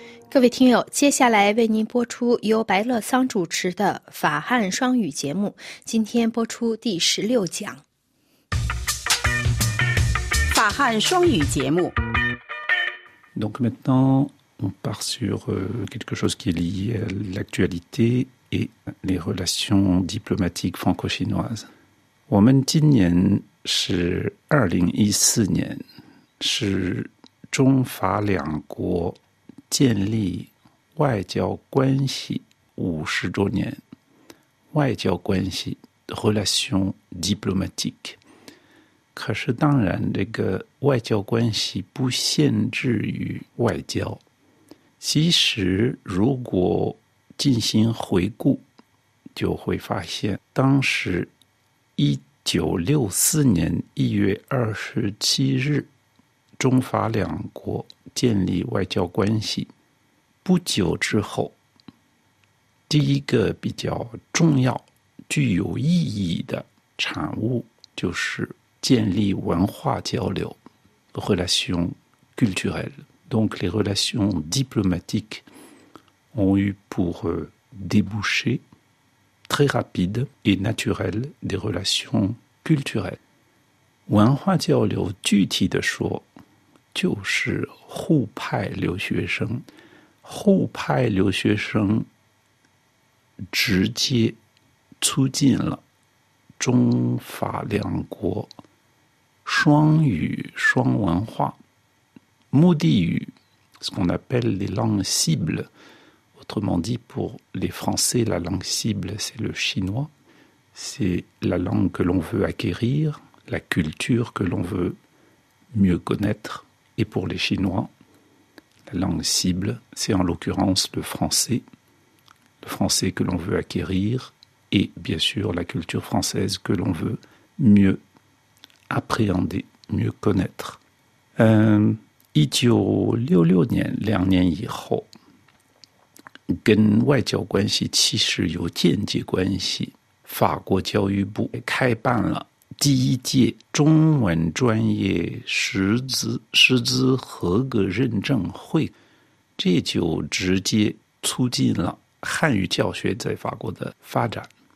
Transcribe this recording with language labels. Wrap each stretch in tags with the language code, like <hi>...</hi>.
<zh>各位听友，接下来为您播出由白乐桑主持的法汉双语节目，今天播出第16讲。法汉双语节目。</zh> <fr>Donc maintenant, on part sur quelque chose qui est lié à l'actualité et les relations diplomatiques franco-chinoises.</fr> <zh>我们今年是2014年，是中法两国建立外交关系50周年，外交关系</zh> <fr>relation diplomatique。</fr> <zh>可是当然这个外交关系不限制于外交，其实如果进行回顾就会发现，当时1964年1月27日中法两国建立外交关系不久之后，第一个比较重要具有意义的产物就是建立文化交流</zh> <fr>relation culturelle。 Donc les relations diplomatiques ont eu pour débouché très rapide et naturel des relations culturelles。</fr> <zh>文化交流具体的说就是互派留学生，互派留学生直接促进了中法两国双语双文化，目的语</zh> <fr>ce qu'on appelle les langues cibles, autrement dit pour les Français la langue cible c'est le chinois, c'est la langue que l'on veut acquérir, la culture que l'on veut mieux connaître. Et pour les Chinois, la langue cible, c'est en l'occurrence le français que l'on veut acquérir, et bien sûr la culture française que l'on veut mieux appréhender, mieux connaître.</fr> <zh>1966年, 2年以后, 跟外交关系其实有间接关系, 法国教育部开办了第一届中文专业师资合格认证会, 这就直接促进了汉语教学在法国的发展。</zh>